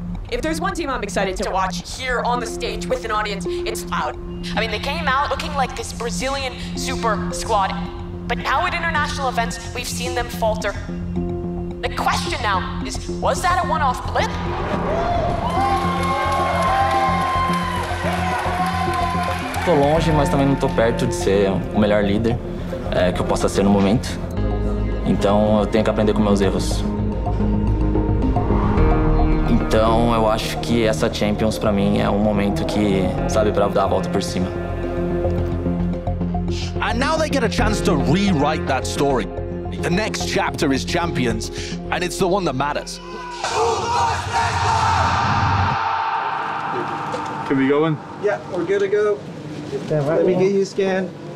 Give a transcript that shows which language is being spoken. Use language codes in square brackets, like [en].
[en] If there's one team I'm excited to watch here on the stage with an audience, it's Loud. I mean, they came out looking like this Brazilian super squad, but now at international events, we've seen them falter. The question now is, was that a one-off blip? [pt] Tô longe, mas também não tô perto de ser o melhor líder que eu possa ser no momento. Então, eu tenho que aprender com meus erros. Então, eu acho que essa Champions, pra mim, é um momento que, sabe, pra dar a volta por cima. [en] And now they get a chance to rewrite that story. The next chapter is Champions, and it's the one that matters. Can we go in? Yeah, we're good to go. Let me get you scanned.